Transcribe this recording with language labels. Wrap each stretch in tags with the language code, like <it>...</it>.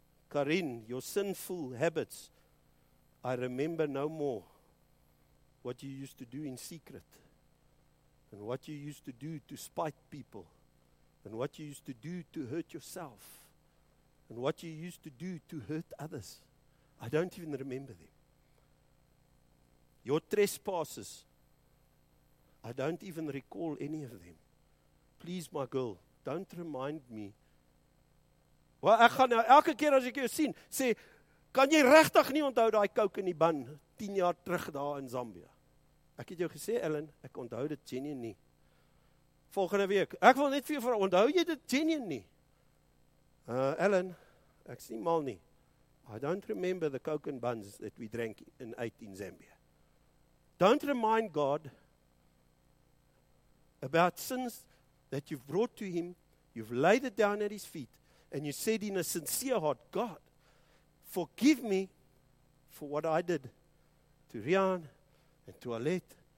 <en>Karin, your sinful habits, I remember no more what you used to do in secret, and what you used to do to spite people, and what you used to do to hurt yourself, and what you used to do to hurt others. I don't even remember them. Your trespasses, I don't even recall any of them. Please, my girl, don't remind me.</en> <af>Well, ek gaan nou elke keer as ek jou sien, sê, kan jy regtig nie onthou daai coke in die bun, 10 jaar terug daar in Zambia? Ek het jou gesê, Ellen, ek onthou dit genuen nie. Volgende week, ek wil net vir jou vraag, onthou jy dit genuen nie? Ellen, ek is nie mal nie.</af> <en>I don't remember the coke and buns that we drank and ate in Zambia. Don't remind God about sins that you've brought to him, you've laid it down at his feet, and you said in a sincere heart, God, forgive me for what I did to Rian and to Alette.</en>